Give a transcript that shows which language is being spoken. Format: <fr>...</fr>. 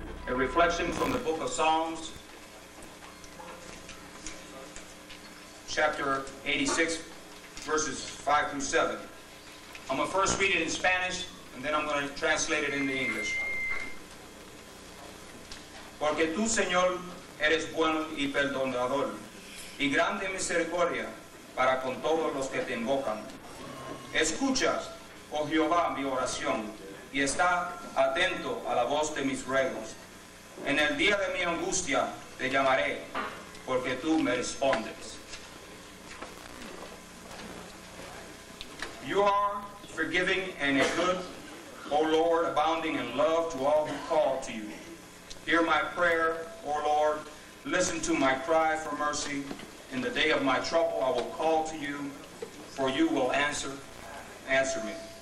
<en>reflection from the book of Psalms, chapter 86, verses 5 through 7. I'm going to first read it in Spanish, and then I'm going to translate it into English.</en> <es>Porque tú, Señor, eres bueno y perdonador, y grande misericordia para con todos los que te invocan. Escucha, oh Jehová, mi oración, y está atento a la voz de mis ruegos. En el día de mi angustia te llamaré, porque tú me respondes.</es> <en>You are forgiving and a good, O Lord, abounding in love to all who call to you. Hear my prayer, O Lord, listen to my cry for mercy. In the day of my trouble I will call to you, for you will answer me.</en>